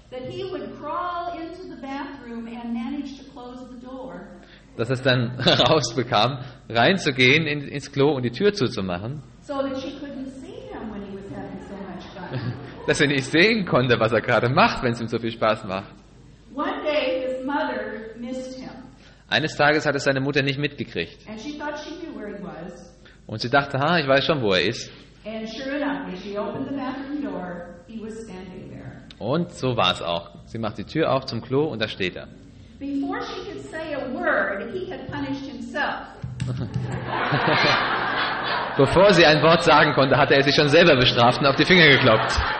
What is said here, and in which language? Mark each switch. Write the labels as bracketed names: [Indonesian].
[English] that he would crawl into the bathroom and manage to close the door. [German] Dass es dann rausbekam, reinzugehen ins Klo und die Tür zuzumachen. [English] So that she couldn't see him when he was having so much fun. [German] Dass er nicht sehen konnte, was er gerade macht, wenn es ihm so viel Spaß macht. [English] One day his mother missed him. [German] Eines Tages hat es seine Mutter nicht mitgekriegt. [English] And she thought she knew where he was. [German] Und sie dachte, ha, ich weiß schon, wo er ist. [English] And sure enough, as she opened the bathroom door, he was standing there. [German] Und so war es auch. Sie macht die Tür auf zum Klo und da steht er. [English] Before she could say a word, he had punished himself. [German] Bevor sie ein Wort sagen konnte, hatte er sich schon selber bestraft und auf die Finger geklopft.